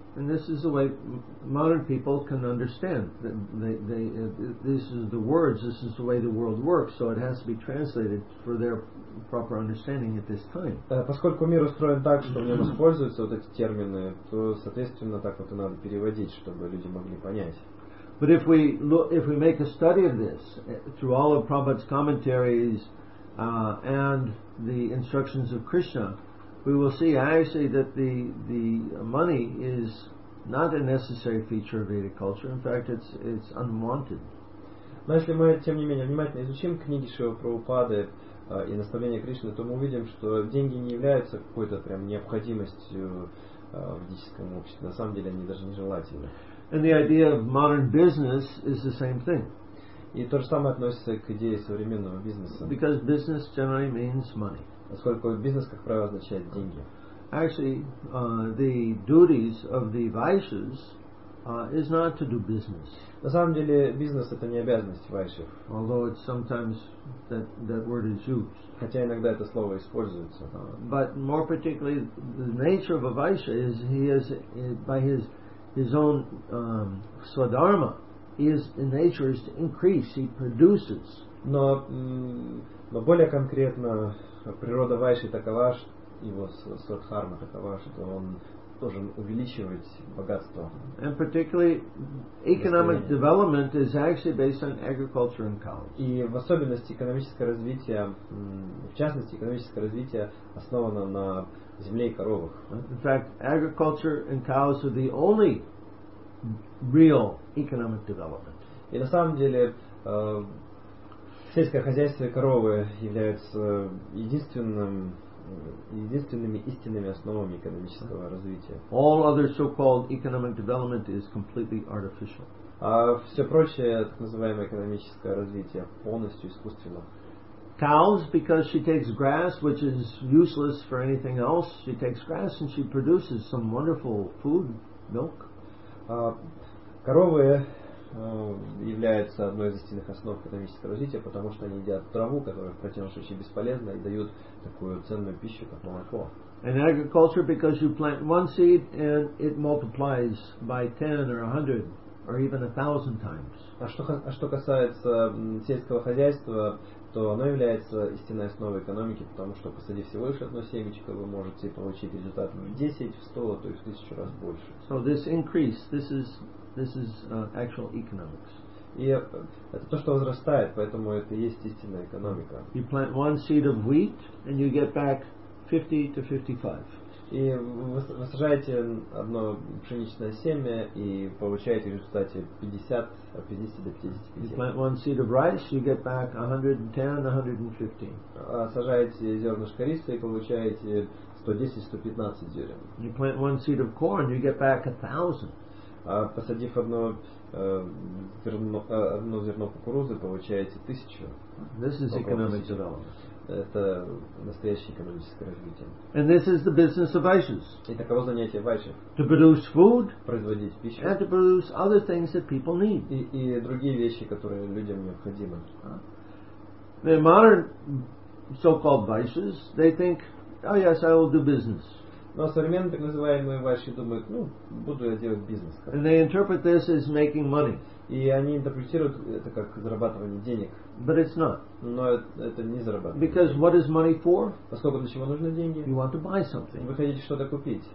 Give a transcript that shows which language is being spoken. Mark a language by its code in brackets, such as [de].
[en] And this is the way modern people can understand. This is the words, this is the way the world works, so it has to be translated for their proper understanding at this time. [ru] Поскольку мир устроен так, что в нем используются вот эти термины, то, соответственно, так вот и надо переводить, чтобы люди могли понять. [en] But if we look, if we make a study of this through all of Prabhupada's commentaries and the instructions of Krishna, we will see actually that the money is not a necessary feature of Vedic culture. In fact, it's unwanted. [ru] Но если мы тем не менее внимательно изучим книги Шрилы Прабхупады и наставления Кришны, то мы увидим, что деньги не являются какой-то прям необходимостью в ведическом обществе. На самом деле, они даже нежелательны. [en] And the idea of modern business is the same thing. [ru] И то же самое относится к идее современного бизнеса. [en] Because business generally means money. [ru] Поскольку бизнес, как правило, означает деньги. [en] Actually, the duties of the Vaishyas is not to do business. [ru] На самом деле, бизнес — это не обязанность Вайшев. [en] Although it's sometimes that word is used. [ru] Хотя иногда это слово используется. [en] But more particularly, the nature of a Vaishya is he is by his own swadharma, is in nature is to increase, he produces. [ru] Но более конкретно, природа Вайши такова, его свадхарма такова, что он должен увеличивать богатство. [en] And particularly, economic development is actually based on agriculture and cows. [ru] И в особенности экономическое развитие, в частности, экономическое развитие основано на земле и коровах. [en] In fact, agriculture and cows are the only real economic development. [ru] И на самом деле сельское хозяйство и коровы являются единственным единственными истинными основами экономического развития. [en] All other so-called economic development is completely artificial. [ru] А все прочее, так называемое экономическое развитие, полностью искусственно. [en] Cows, because she takes grass, which is useless for anything else, she takes grass and she produces some wonderful food, milk. [ru] Коровы являются одной из истинных основ экономического развития, потому что они едят траву, которая в противном случае бесполезна, и дают такую ценную пищу, как молоко. [en] And agriculture, because you plant one seed and it multiplies by 10 or 100. Or even 1,000 times. [ru] А что касается сельского хозяйства, то оно является истинной основой экономики, потому что посадив всего лишь одно семечко, вы можете получить результат в 10, в 100, а то и в 1000 раз больше. [en] So this increase, this is actual economics. [ru] И это то, что возрастает, поэтому это и есть истинная экономика. [en] You plant one seed of wheat and you get back 50 to 55. [ru] И вы сажаете одно пшеничное семя и получаете в результате 50 до 55. [en] You plant one seed of rice, you get back 110-115. [ru] Сажаете зернышко риса и получаете 110-115 зерен. [en] You plant one seed of corn, you get back 1,000. [ru] Посадив одно зерно кукурузы, получаете 1,000. [en] This is economic development. [ru] Это настоящее экономическое развитие. [en] And this is the business of vaishyas. [ru] И таково занятие вайши. [en] To produce food. [ru] Производить пищу. [en] And to produce other things that people need. [ru] И другие вещи, которые людям необходимы. [en] The modern so-called vaishyas, they think, oh yes, I will do business. [ru] Но современные так называемые вайши думают, ну, буду я делать бизнес. Как-то. [en] And they interpret this as making money. [ru] И они интерпретируют это как зарабатывание денег. [en] But it's not. [ru] Но это не зарабатывание. [en] Because what is money for? [ru] Поскольку для чего нужны деньги? [en] You want to buy something. [ru] Вы хотите что-то купить.